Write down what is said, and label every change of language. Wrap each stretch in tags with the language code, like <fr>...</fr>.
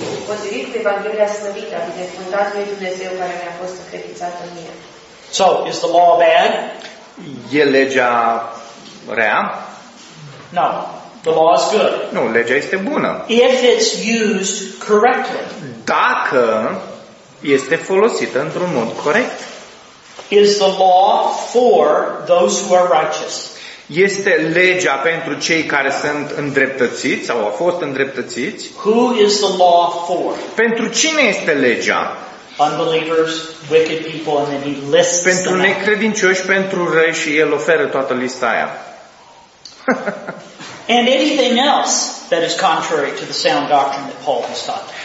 <ro>Potrivit cu Evanghelia slăvită, binecuvântat lui Dumnezeu care mi-a fost încredințat în mine.</ro> <en>So, is the law bad?</en> <ro>E legea rea?</ro> <en>No. The law is good.</en> <ro>Nu, legea este bună.</ro> <en>If it's used correctly.</en> <ro>Dacă este folosită într-un mod corect.</ro> <en>Is the law for those who are righteous?</en> <ro>Este legea pentru cei care sunt îndreptățiți sau au fost îndreptățiți?</ro> <en>Who is the law for?</en> <ro>Pentru cine este legea?</ro> <en>Unbelievers, wicked people, and then he lists them.</en> <ro>Pentru necredincioși, pentru răi și el oferă toată lista aia.</ro> <en>And anything else that is contrary to the sound doctrine that Paul has taught.</en>